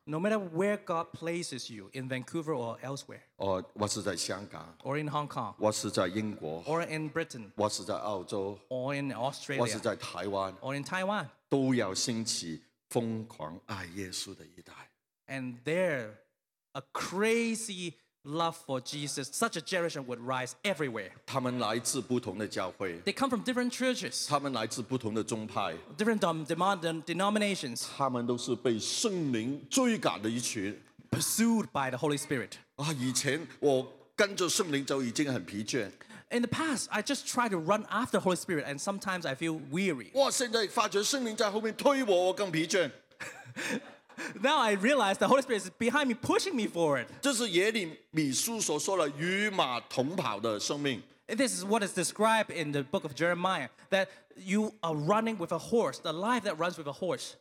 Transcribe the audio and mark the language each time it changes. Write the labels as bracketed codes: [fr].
[en] No matter where God places you, in Vancouver or elsewhere. [zh] 我是在香港。 [en] Or in Hong Kong. [zh] 我是在英国。 [en] Or in Britain. [zh] 我是在澳洲。 [en] Or in Australia. [zh] 我是在台湾。 [en] Or in Taiwan. [zh] 都要兴起疯狂爱耶稣的一代。 [en] And there, a crazy love for Jesus, such a generation would rise everywhere. [zh] 他们来自不同的教会。 [en] They come from different churches. [zh] 他们来自不同的宗派。 [en] Different denominations. [zh] 他们都是被圣灵追赶的一群。 [en] Pursued by the Holy Spirit. [zh] 啊，以前我跟着圣灵就已经很疲倦。 [en] In the past, I just try to run after the Holy Spirit, and sometimes I feel weary. [zh] 我现在发觉圣灵在后面推我，我更疲倦。 [en] Now I realize the Holy Spirit is behind me, pushing me forward. [zh] 这是耶利米书所说的与马同跑的生命。 [en] This is what is described in the book of Jeremiah, that you are running with a horse, the life that runs with a horse.